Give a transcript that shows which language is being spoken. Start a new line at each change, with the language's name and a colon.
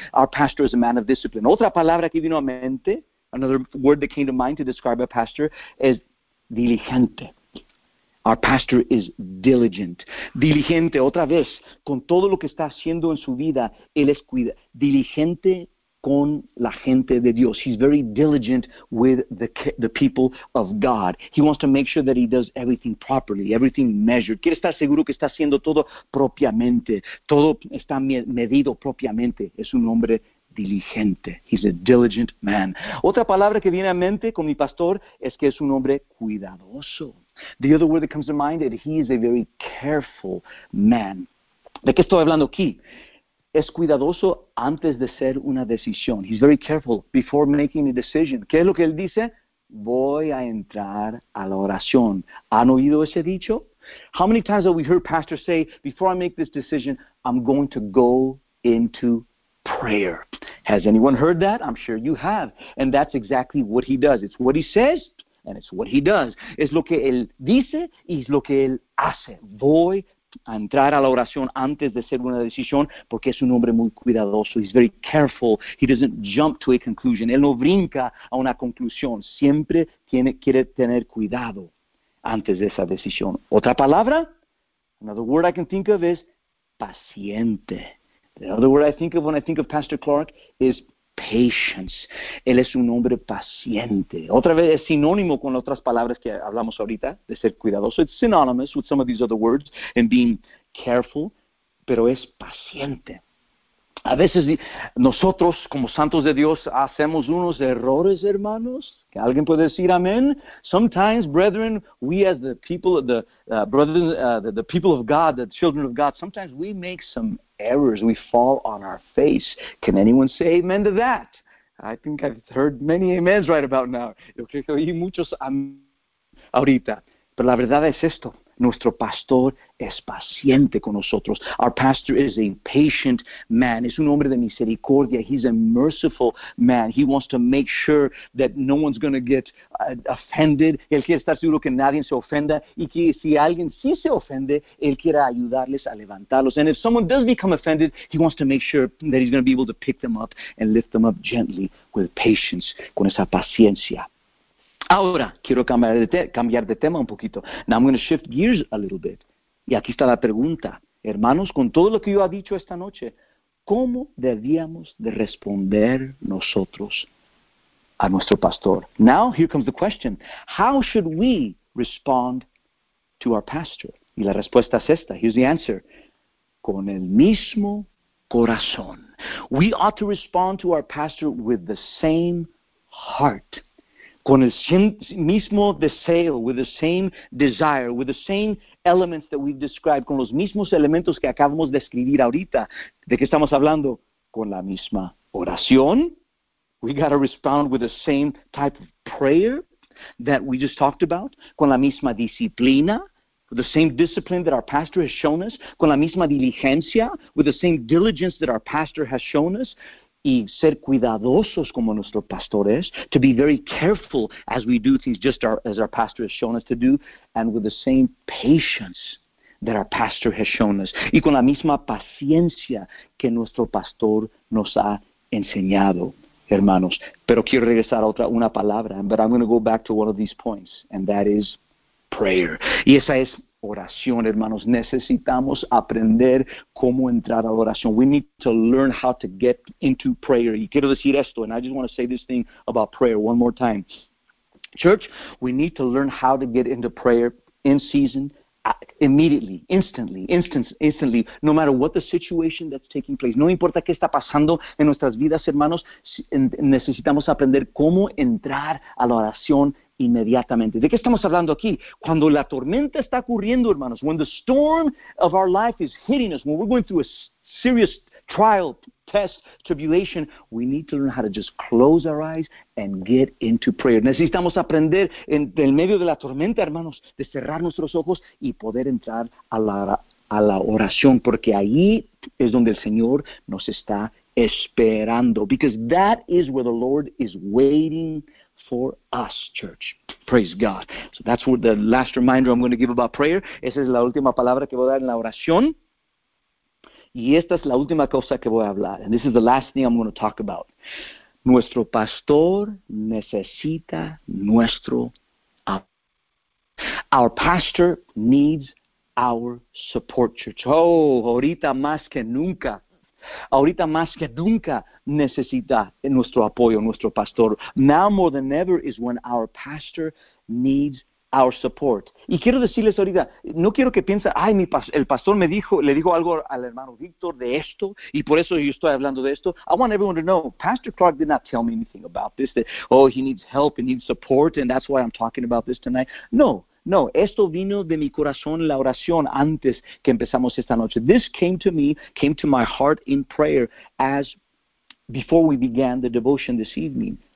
English: Our pastor is a man of discipline.
Spanish: Otra palabra que vino a mente,
English: another word that came to mind to describe a pastor,
Spanish: es diligente.
English: Our pastor is diligent.
Spanish: Diligente, otra vez, con todo lo que está haciendo en su vida, él es diligente con la gente de Dios.
English: He's very diligent with the people of God. He wants to make sure that he does everything properly, everything measured.
Spanish: Quiere estar seguro que está haciendo todo propiamente. Todo está medido propiamente. Es un hombre
English: diligente. He's a diligent man.
Spanish: Otra palabra que viene a mente con mi pastor es que es un hombre cuidadoso.
English: The other word that comes to mind is that he is a very careful man.
Spanish: ¿De qué estoy hablando aquí? Es cuidadoso antes de hacer una decisión.
English: He's very careful before making a decision.
Spanish: ¿Qué es lo que él dice? Voy a entrar a la oración. ¿Han oído ese dicho?
English: How many times have we heard pastors say, before I make this decision, I'm going to go into prayer? Has anyone heard that? I'm sure you have. And that's exactly what he does. It's what he says, and it's what he does.
Spanish: Es lo que él dice y es lo que él hace. Voy a entrar a la oración antes de hacer una decisión porque es un hombre muy cuidadoso.
English: He's very careful. He doesn't jump to a conclusion.
Spanish: Él no brinca a una conclusión. Siempre quiere tener cuidado antes de esa decisión. Otra palabra,
English: another word I can think of is paciente. The other word I think of when I think of Pastor Clark is patience.
Spanish: Él es un hombre paciente. Otra vez, es sinónimo con otras palabras que hablamos ahorita, de ser cuidadoso.
English: It's synonymous with some of these other words and being careful,
Spanish: pero es paciente. A veces nosotros, como santos de Dios, hacemos unos errores, hermanos. ¿Que alguien puede decir amén?
English: Sometimes, brethren, we as the people, the people of God, the children of God, sometimes we make some errors. We fall on our face. Can anyone say amen to that? I think I've heard many amens right about now.
Spanish: Yo creo que oí muchos amén ahorita. Pero la verdad es esto. Nuestro pastor es paciente con nosotros.
English: Our pastor is a patient man.
Spanish: Es un hombre de misericordia.
English: He's a merciful man. He wants to make sure that no one's going to get offended.
Spanish: Él quiere estar seguro que nadie se ofenda. Y que si alguien sí se ofende, él quiere ayudarles a levantarlos.
English: And if someone does become offended, he wants to make sure that he's going to be able to pick them up and lift them up gently with patience,
Spanish: con esa paciencia. Ahora, quiero cambiar de tema un poquito.
English: Now I'm going to shift gears a little bit.
Spanish: Y aquí está la pregunta. Hermanos, con todo lo que yo he dicho esta noche, ¿cómo debíamos de responder nosotros a nuestro pastor?
English: Now, here comes the question. How should we respond to our pastor?
Spanish: Y la respuesta es esta.
English: Here's the answer.
Spanish: Con el mismo corazón.
English: We ought to respond to our pastor with the same heart.
Spanish: Con el mismo deseo,
English: with the same desire, with the same elements that we've described,
Spanish: con los mismos elementos que acabamos de escribir ahorita. ¿De qué estamos hablando? Con la misma oración.
English: We got to respond with the same type of prayer that we just talked about.
Spanish: Con la misma disciplina.
English: With the same discipline that our pastor has shown us.
Spanish: Con la misma diligencia.
English: With the same diligence that our pastor has shown us.
Spanish: Y ser cuidadosos como nuestro pastor es,
English: to be very careful as we do things just as our pastor has shown us to do, and with the same patience that our pastor has shown us,
Spanish: y con la misma paciencia que nuestro pastor nos ha enseñado, hermanos. Pero quiero regresar a otra, una palabra,
English: but I'm going to go back to one of these points, and that is prayer.
Spanish: Y esa es oración, hermanos. Necesitamos aprender cómo entrar a la oración.
English: We need to learn how to get into prayer.
Spanish: Y quiero decir esto,
English: and I just want to say this thing about prayer one more time. Church, we need to learn how to get into prayer in season, immediately, instantly, no matter what the situation that's taking place.
Spanish: No importa qué está pasando en nuestras vidas, hermanos, necesitamos aprender cómo entrar a la oración inmediatamente. ¿De qué estamos hablando aquí? Cuando la tormenta está ocurriendo, hermanos,
English: when the storm of our life is hitting us, when we're going through a serious trial, test, tribulation, we need to learn how to just close our eyes and get into prayer. Necesitamos aprender en el medio de la tormenta, hermanos, de cerrar nuestros ojos y poder entrar a la oración, porque ahí es donde el Señor nos está esperando. Because that is where the Lord is waiting for us, church. Praise God. So that's what the last reminder I'm going to give about prayer.
Spanish: Esa es la última palabra que voy a dar en la oración. Y esta es la última cosa que voy a hablar.
English: And this is the last thing I'm going to talk about.
Spanish: Nuestro pastor necesita nuestro apoyo.
English: Our pastor needs our support, church.
Spanish: Oh, ahorita más que nunca. Ahorita más que nunca necesita nuestro apoyo, nuestro pastor.
English: Now more than ever is when our pastor needs our support.
Spanish: Y quiero decirles ahorita, no quiero que piensen, ay, el pastor me dijo, le dijo algo al hermano Víctor de esto, y por eso yo estoy hablando de esto.
English: I want everyone to know, Pastor Clark did not tell me anything about this, that, oh, he needs help, he needs support, and that's why I'm talking about this tonight.
Spanish: No. No, esto vino de mi corazón, la oración, antes que empezamos esta noche.
English: This came to me, came to my heart in prayer as before we began the devotion this evening.